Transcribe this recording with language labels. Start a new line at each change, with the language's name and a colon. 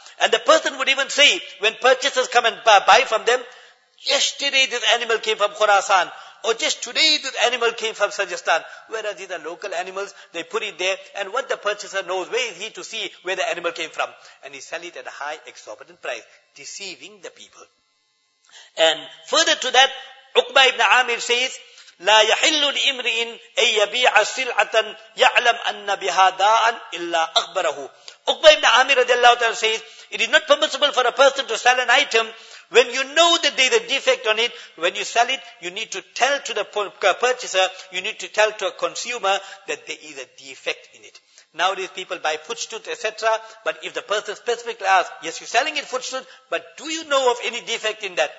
English: And the person would even say, when purchasers come and buy from them, yesterday this animal came from Khurasan, or just today this animal came from Sajistan. Whereas these are local animals, they put it there, and what the purchaser knows, where is he to see where the animal came from? And he sell it at a high exorbitant price, deceiving the people.
Arabic: And further to that,
English: Uqba ibn Amir says,
Arabic: لَا يَحِلُّ لِإِمْرِئٍ أَن يَبِيعَ سِلْعَةً يَعْلَمْ أَنَّ بِهَا دَاءً إِلَّا أَخْبَرَهُ.
English: Uqba ibn Amir radiallahu ta'ala says, it is not permissible for a person to sell an item when you know that there is a defect on it. When you sell it, you need to tell to the purchaser, you need to tell to a consumer that there is a defect in it. Nowadays people buy footstools, etc. But if the person specifically asks, yes, you're selling it footstools, but do you know of any defect in that?